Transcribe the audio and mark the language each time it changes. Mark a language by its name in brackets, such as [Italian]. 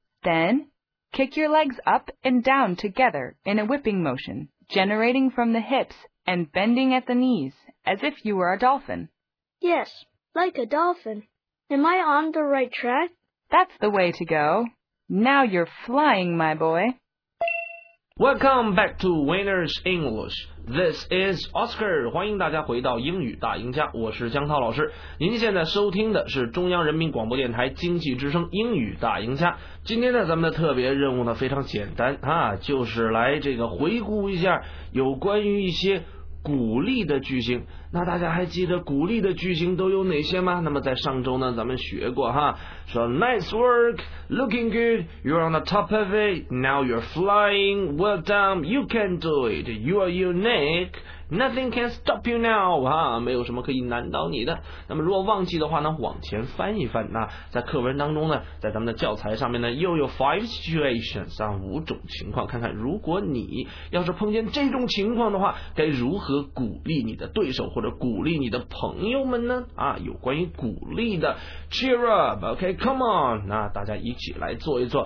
[English] Then, kick your legs up and down together in a whipping motion, generating from the hips and bending at the knees, as if you were a dolphin. Yes, like a dolphin. Am I on the right track? That's the way to go. Now you're flying, my boy. Welcome back to Winners English. This is Oscar, [Chinese] 欢迎大家回到英语大赢家，我是江涛老师。您现在收听的是中央人民广播电台经济之声英语大赢家。今天呢，咱们的特别任务呢非常简单啊，就是来这个回顾一下有关于一些鼓励的句型。那大家还记得鼓励的句型都有哪些吗？那么在上周呢，咱们学过哈，说 [English] Nice work, looking good, you're on the top of it, now you're flying, well done, you can do it, you are unique, nothing can stop you now, [Chinese] 哈，没有什么可以难倒你的。那么如果忘记的话呢，往前翻一翻，那在课文当中呢，在咱们的教材上面呢，又有 [English] 5 situations, [Chinese] 啊，五种情况，看看如果你要是碰见这种情况的话，该如何鼓励你的对手或者鼓励你的朋友们呢？啊，有关于鼓励的 [English] cheer up, OK, come on, [Chinese] 那大家一起来做一做。